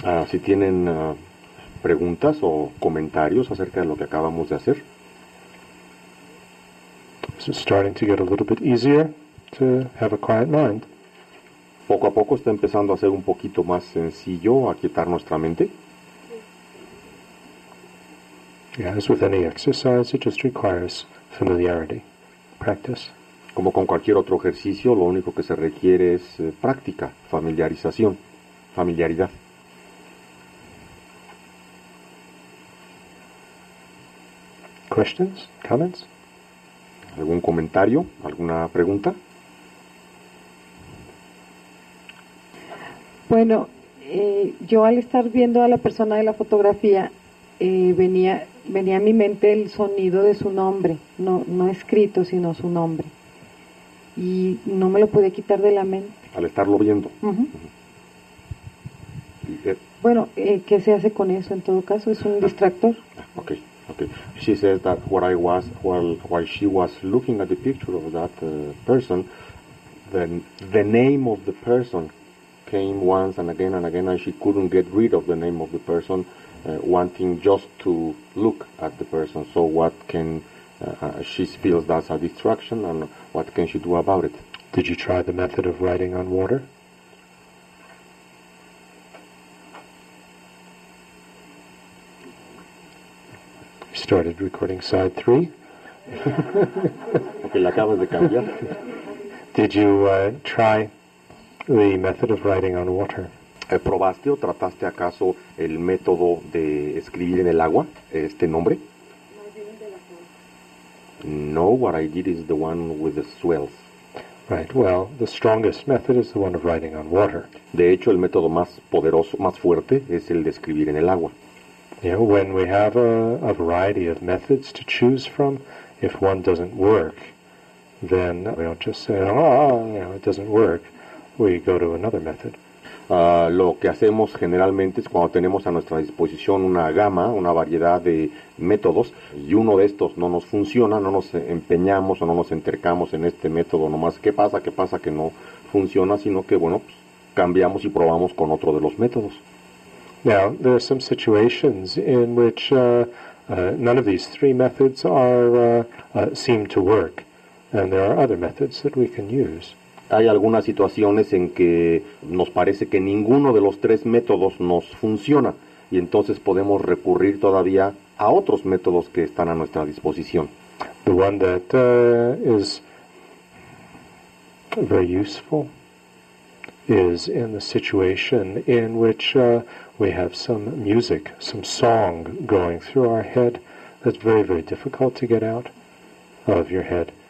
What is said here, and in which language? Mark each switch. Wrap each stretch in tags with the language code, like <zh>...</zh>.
<es>Si tienen preguntas o comentarios acerca de lo que acabamos de hacer.</es> <en>This is starting to get a little bit easier to have a quiet mind.</en> <es>Poco a poco está empezando a ser un poquito más sencillo aquietar nuestra mente.</es> <en>Yeah, as with any exercise, it just requires familiarity, practice.</en> <es>Como con cualquier otro ejercicio, lo único que se requiere es práctica, familiarización, familiaridad.</es> <en>Questions, comments?</en> <es>¿Algún comentario, alguna pregunta? Bueno, yo al estar viendo a la persona de la fotografía, venía a mi mente el sonido de su nombre, no escrito, sino su nombre. Y no me lo pude quitar de la mente. Al estarlo viendo. Uh-huh. Bueno, ¿qué se hace con eso en todo caso? ¿Es un distractor? Okay.</es> <en>She says that while she was looking at the picture of that person, the name of the person came once and again, and she couldn't get rid of the name of the person, wanting just to look at the person. So what can... she feels that's a distraction, and what can she do about it? Did you try the method of writing on water? Started recording side 3.</en> <es>Okay, la acabas de cambiar.</es> <en>Did you try the method of writing on water?</en> <es>¿Probaste o trataste acaso el método de escribir en el agua, este nombre?</es> <en>No, what I did is the one with the swells. Right, well, the strongest method is the one of writing on water.</en> <es>De hecho, el método más poderoso, más fuerte, es el de escribir en el agua.</es> <en>You know, when we have a variety of methods to choose from, if one doesn't work, then we don't just say, it doesn't work. We go to another method.</en> <es>Lo que hacemos generalmente es cuando tenemos a nuestra disposición una gama, una variedad de métodos, y uno de estos no nos funciona, no nos empeñamos o no nos entercamos en este método nomás. ¿Qué pasa? ¿Qué pasa que no funciona? Sino que, bueno, pues, cambiamos y probamos con otro de los métodos.</es> <en>Now, there are some situations in which none of these three methods seem to work, and there are other methods that we can use.</en> <es>Hay algunas situaciones en que nos parece que ninguno de los tres métodos nos funciona, y entonces podemos recurrir todavía a otros métodos que están a nuestra disposición.</es> <en>The one that is very useful is in the situation in which we have some music, some song going through our head. That's very, very difficult to get out of your head.</en>